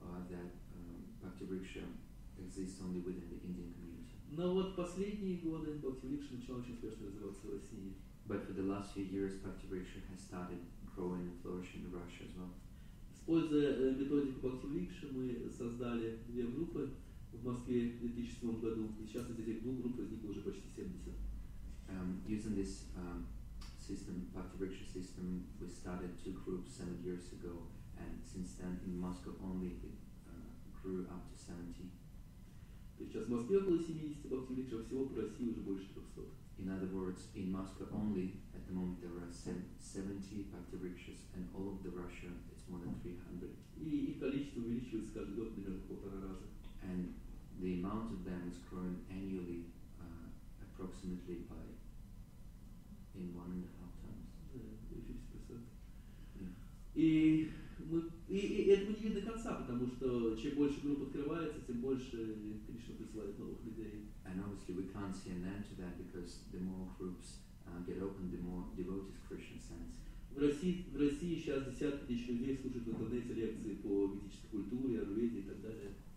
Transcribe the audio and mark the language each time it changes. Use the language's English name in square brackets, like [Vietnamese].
[English] that Bhaktivriksha exists only within the Indian community. [Russian] Но вот последние годы Бхактивриксха начал очень успешно развиваться в России. [English] But for the last few years, Bhaktivriksha has started growing and flourishing in Russia as well. [Russian] Используя методику Бхактивриксха, мы создали две группы в Москве в 2007 году. И сейчас из этих двух групп возникло уже почти 70. [English] Using this system, Bhaktivriksha system, we started two groups 7 years ago, and since then in Moscow only it grew up to 70. [Russian] Сейчас в Москве около 70 Бхактивриксха, всего по России уже больше 300. [English] In other words, in Moscow only at the moment there are 70 Bhaktivrikshas, and all of the Russia it's more than 300. [Russian] И их количество увеличивается каждый год примерно полтора раза. [English] And the amount of them is growing annually, approximately by in 1.5 times. Yeah, 50%. [Russian] Yeah. И это мы не видим до конца, потому что чем больше группа открывается, тем больше Кришна присылает новых людей. [English] And obviously we can't see an end to that because the more groups get open, the more devotees Krishna sends. [Russian] В России сейчас десятки тысяч людей слушают в интернете лекции по ведической культуре, аюрведе и так далее.